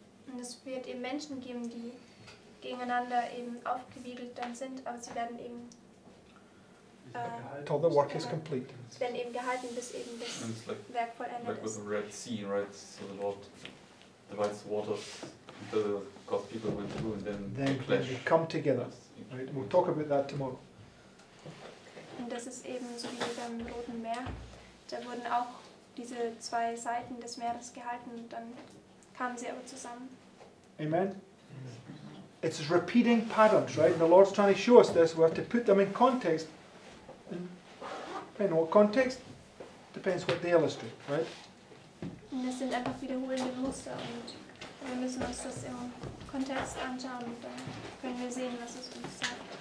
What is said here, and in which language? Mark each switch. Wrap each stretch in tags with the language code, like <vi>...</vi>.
<de>Und es wird eben Menschen geben, die gegeneinander eben aufgewiegelt dann sind, aber sie werden eben</de> <en>till the work is complete.</en> <de>Sie werden eben gehalten, bis eben das Werk vollendet ist.</de> <en>Like with the Red Sea, right? So the Lord divides waters, the God's people went through, and then they clash. They come together. Right? We'll talk about that tomorrow.</en> <de>Und das ist eben so wie beim Roten Meer. Da wurden auch diese zwei Seiten des Meeres gehalten, und dann kamen sie aber zusammen.</de> <en>Amen. It's repeating patterns, right? And the Lord's trying to show us this. We have to put them in context. And depending on what context, depends what they illustrate, right?</en> <de>Und das sind einfach wiederholende Muster. Und wir müssen uns das im Kontext anschauen. Und dann können wir sehen, was es uns sagt.</de>